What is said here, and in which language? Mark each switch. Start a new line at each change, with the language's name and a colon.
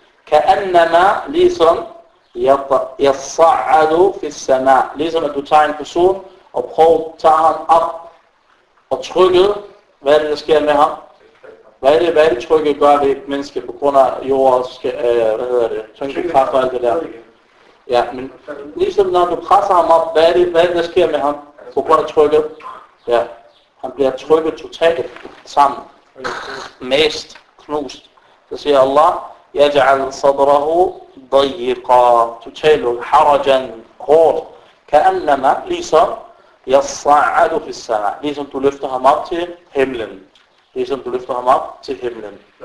Arabic: كَأَنَّمَا
Danish: ligesom
Arabic: يَصَّعَدُ فِي السَّمَاءِ.
Danish: Ligesom at du tager en person og prøver at tage ham op og trykket. Hvad er det, der sker med ham? Hvad er det trykket gør ved et menneske på grund af jordens, hvad hedder det? Tyngdekraft og alt det der. Ja, men ligesom når du presser ham op, hvad er det, der sker med ham på grund af trykket? Ja, han bliver trykket totalt sammen. Mæst, knust. Så siger Allah,
Arabic: يَجْعَلْ صَدْرَهُ ضَيِّقًا تُتَيْلُ حَرَجًا قُرْ كَأَنَّمَا
Danish: ligesom
Arabic: يَصَّعَدُ فِي السَّمَاءِ.
Danish: Ligesom du løfter ham op til himlen. Ligesom du løfter ham op til himlen.